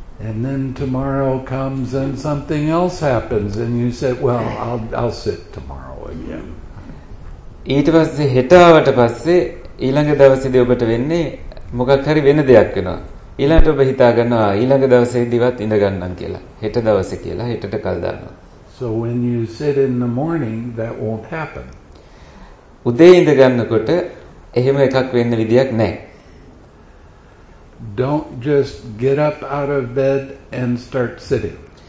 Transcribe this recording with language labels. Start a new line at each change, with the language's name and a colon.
English: And then tomorrow comes and something else happens and you said well I'll sit tomorrow again
Sinhala: ඊට පස්සේ හෙටවට පස්සේ ඊළඟ දවසේදී ඔබට වෙන්නේ මොකක් හරි වෙන දෙයක් වෙනවා. ඊළඟට ඔබ හිතා ගන්නවා ඊළඟ දවසේදීවත් ඉඳ ගන්නම් කියලා. හෙට දවසේ කියලා හෙටට කල් දානවා.
English: So when you sit in the morning that won't happen.
Sinhala: උදේ ඉඳ ගන්නකොට එහෙම එකක් වෙන්න විදියක් නැහැ.
English: Don't just get up out of bed and start sitting.